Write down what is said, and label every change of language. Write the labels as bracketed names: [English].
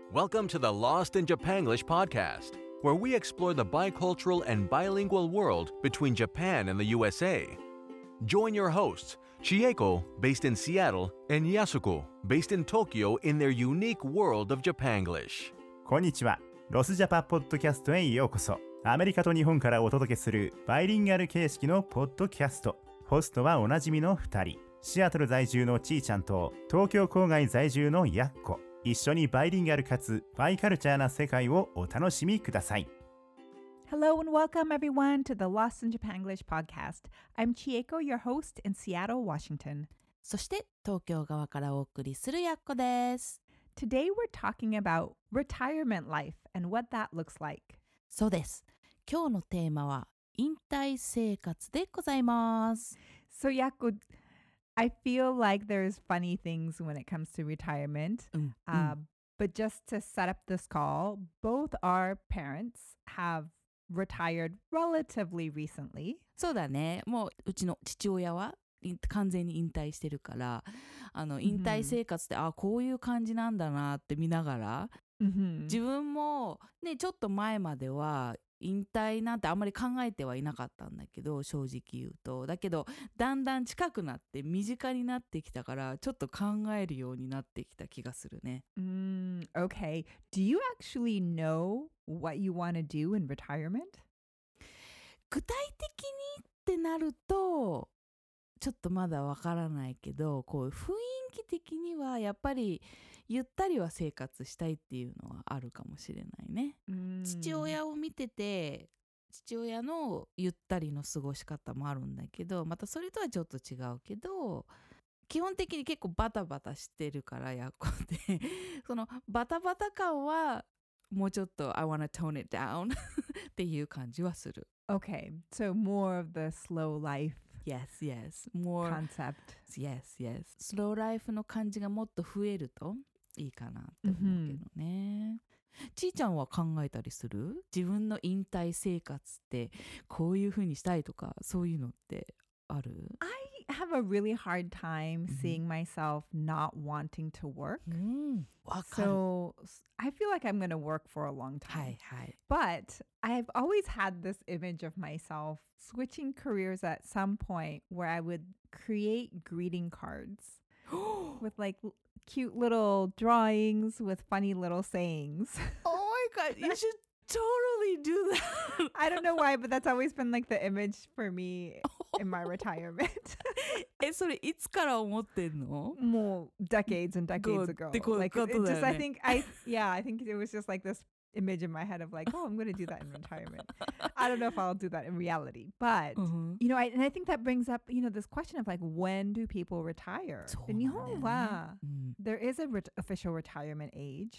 [English] Welcome to the Lost in Japan English Podcast, where we explore the bicultural and bilingual world between Japan and the USA. Join your hosts, Chieko, based in Seattle, and Yasuko, based in Tokyo, in their unique world of Japanglish. [Japanese] こんにちは。Lost in Japan Podcast へようこそ。アメリカと日本からお届けするバイリンガル形式のポッドキャスト。ホストはおなじみの2人、シアトル在住のちーちゃんと東京郊外在住のやっこ。一緒にバイリンガルかつバイカルチャーな世界をお楽しみください。 [English] Hello and welcome everyone to the Lost in Japan English Podcast. I'm Chieko, your host in Seattle, Washington. [Japanese] そして東京側からお送りするやっこです。 [English] Today we're talking about retirement life and what that looks like. [Japanese] そうです。今日のテーマは引退生活でございます。 [English] So, Yaku, I feel like there's funny things when it comes to retirement. But just to set up this call, both our parents have retired relatively recently. [Japanese] そうだね。もううちの父親は完全に引退してるから、あの引退生活って、ああ、こういう感じなんだなって見ながら、自分もね、ちょっと前までは引退なんてあんまり考えてはいなかったんだけど、正直言うと。だけどだんだん近くなって身近になってきたから、ちょっと考えるようになってきた気がするね。 [English] Okay. Do you actually know what you want to do in retirement? [Japanese] 具体的にってなるとちょっとまだわからないけど、こう雰囲気的にはやっぱりゆったりは生活したいっていうのはあるかもしれないね。父親を見てて、父親のゆったりの過ごし方もあるんだけど、またそれとはちょっと違うけど、基本的に結構バタバタしてるからやっこって、そのバタバタ感はもうちょっと [English] I wanna tone it down [Japanese] っていう感じはする。 [English] Okay, so more of the slow life. Yes, yes. More concept. Yes, yes. Slow life [Japanese] の感じがもっと増えるといいかなって思うけどね。ちーちゃんは考えたりする？自分の引退生活ってこういうふうにしたいとか、そういうのってある？ [English] I have a really hard time seeing myself not wanting to work. So I feel like I'm going to work for a long time. [Japanese] はいはい。 [English] But I've always had this image of myself switching careers at some point where I would create greeting cards with like cute little drawings with funny little sayings. Oh my God, you should totally do that. I don't know why, but that's always been like the image for me in my retirement. [Japanese] え、それいつから思ってんの？もう [English] decades and decades ago. [Japanese] ってことだよね。 [English] Like, just, I think it was just like this image in my head of like, oh, I'm going to do that in retirement. I don't know if I'll do that in reality. But, you know, I think that brings up, you know, this question of like, when do people retire? In [Japanese] 日本は、 [English] there is a official retirement age.